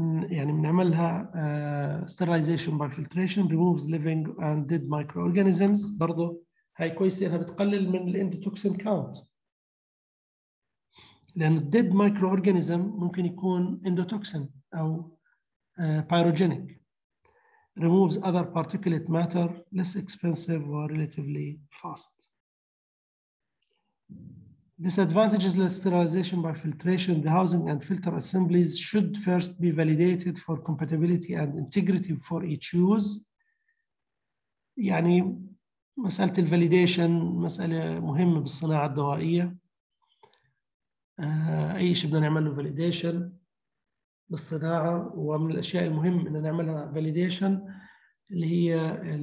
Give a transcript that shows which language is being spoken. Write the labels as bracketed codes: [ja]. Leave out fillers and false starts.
[en] يعني بنعملها sterilization by filtration removes living and dead microorganisms [ar] برضو هاي كويسة إنها بتقلل من ال [en] endotoxin count لأن dead microorganism ممكن يكون endotoxin أو pyrogenic removes other particulate matter less expensive or relatively fast. Disadvantages less sterilization by filtration, the housing and filter assemblies should first be validated for compatibility and integrity for each use. [ar] يعني مسألة الفاليديشن مسألة مهمة بالصناعة الدوائية. أي شيء بدنا نعمله فاليديشن بالصناعة ومن الأشياء المهمة إن نعملها فاليديشن اللي هي